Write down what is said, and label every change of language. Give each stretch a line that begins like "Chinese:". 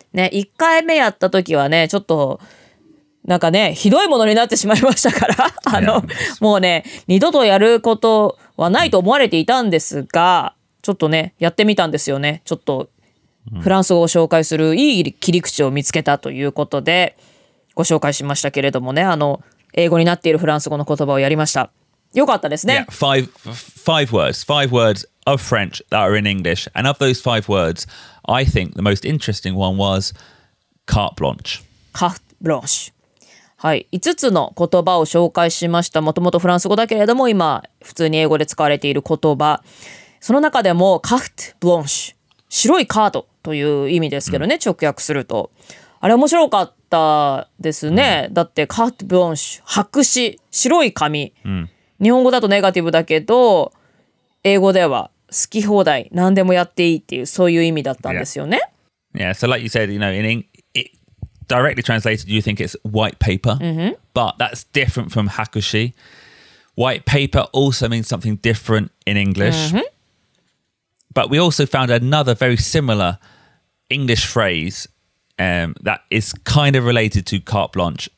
Japanese: ね、1回目やった時はね、ちょっと、なんかね、ひどいものになってしまいましたから、もうね、二度とやることはないと思われていたんですが、ちょっとね、やってみたんですよね。ちょっと、フランス語を紹介するいい切り口を見つけたということで、ご紹介しましたけれどもね、英語になっているフランス語の言葉をやりました。よかったですね。
English: Yeah, five words of French that are in English. And of those five words, I think the most interesting one was carte blanche. Carte blanche.
Japanese: はい、5つの言葉を紹介しました。もともとフランス語だけれども今普通に英語で使われている言葉、その中でもカフトブランシュ、白いカードという意味ですけどね、うん、直訳するとあれ面白かったですね、うん、だってカフトブランシュ、白紙、白い紙、うん、日本語だとネガティブだけど英語では好き放題、何でもやっていいっていう、そういう意味だったんですよね。
English: Yeah, so like you said, you know, in English,directly translated, you think it's white paper,、 mm-hmm. but that's different from hakushi. White paper also means something different in English.、 Mm-hmm. But we also found another very similar English phrase、that is kind of related to carte blanche.